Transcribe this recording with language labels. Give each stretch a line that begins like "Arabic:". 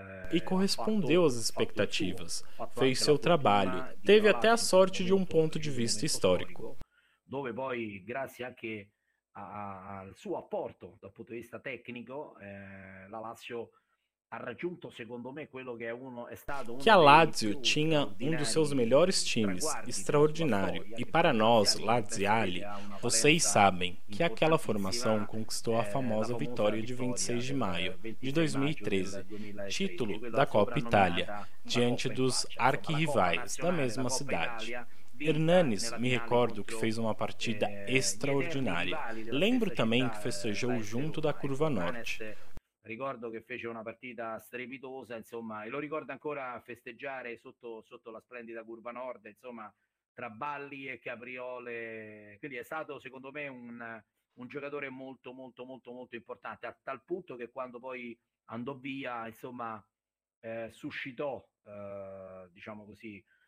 Portuguese: E correspondeu às expectativas, fez seu trabalho, teve até a sorte de um ponto de vista histórico.
Italian: Dove poi, grazie anche al suo apporto dal punto di vista tecnico, la Lazio ha raggiunto, secondo me, quello che è stato che
Portuguese: a Lazio tinha um dos seus melhores times, extraordinário. E para nós, laziali, vocês sabem que aquela formação conquistou a famosa vitória de 26 de maio de 2013, título da Copa Itália, diante dos arquirrivais da mesma cidade. Hernanes, me recordo que fez uma partida extraordinária. Lembro também que festejou junto da Curva Norte.
Italian: Ricordo che fece una partita strepitosa, insomma, e lo ricordo ancora festeggiare sotto la splendida Curva Nord, insomma, tra balli e capriole. Quindi è stato, secondo me, un giocatore molto, molto, molto, molto importante, a tal punto che quando poi andò via, insomma, suscitò, diciamo così,